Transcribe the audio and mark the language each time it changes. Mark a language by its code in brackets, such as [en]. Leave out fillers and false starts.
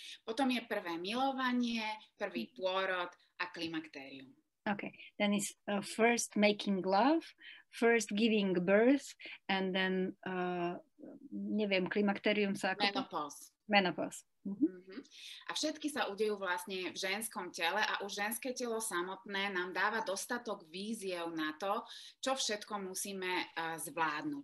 [sk] Potom je prvé milovanie, prvý pôrod a klimakterium. [en] Okay, then it's first making love, first giving birth, and then, [sk] neviem, klimakterium sa... [en] Menopause. Mm-hmm. Mm-hmm. [sk] A všetky sa udejú vlastne v ženskom tele, a už ženské telo samotné nám dáva dostatok víziev na to, čo všetko musíme zvládnuť.